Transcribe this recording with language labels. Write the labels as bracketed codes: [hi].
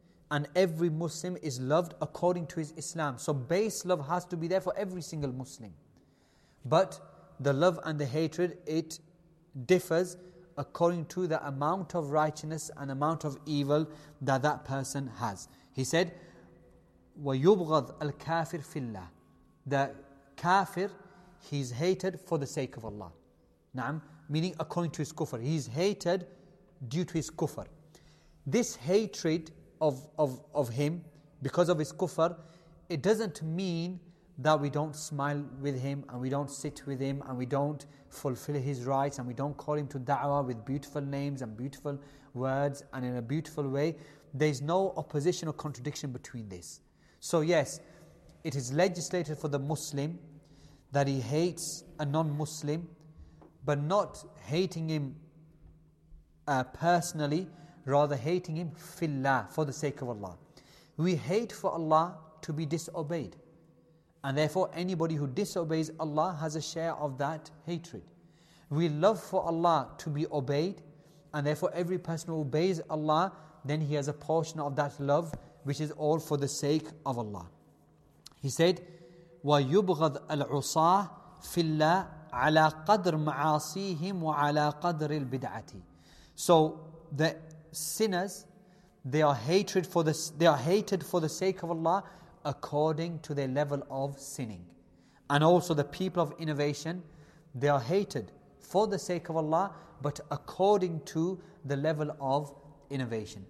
[en] And every Muslim is loved according to his Islam. So base love has to be there for every single Muslim. But the love and the hatred, it differs according to the amount of righteousness and amount of evil that that person has. He said, [ar] وَيُبْغَضْ الْكَافِرْ فِي اللَّهِ. [en] The kafir, he's hated for the sake of Allah. Na'am, meaning according to his kufr. He's hated due to his kufr. This hatred of him because of his kufr, it doesn't mean that we don't smile with him and we don't sit with him and we don't fulfill his rights and we don't call him to da'wah with beautiful names and beautiful words and in a beautiful way. There's no opposition or contradiction between this. So yes, it is legislated for the Muslim that he hates a non-Muslim, but not hating him personally, rather hating him fillah, for the sake of Allah. We hate for Allah to be disobeyed. And therefore, anybody who disobeys Allah has a share of that hatred. We love for Allah to be obeyed, and therefore every person who obeys Allah, then he has a portion of that love, which is all for the sake of Allah. He said, [ar] وَيُبْغَضْ الْعُصَاةِ فِي اللَّهِ عَلَىٰ قَدْرِ مَعَاصِيهِمْ وَعَلَىٰ قَدْرِ الْبِدْعَةِ. [en] So the sinners, they are hated for the sake of Allah according to their level of sinning. And also the people of innovation, they are hated for the sake of Allah, but according to the level of innovation.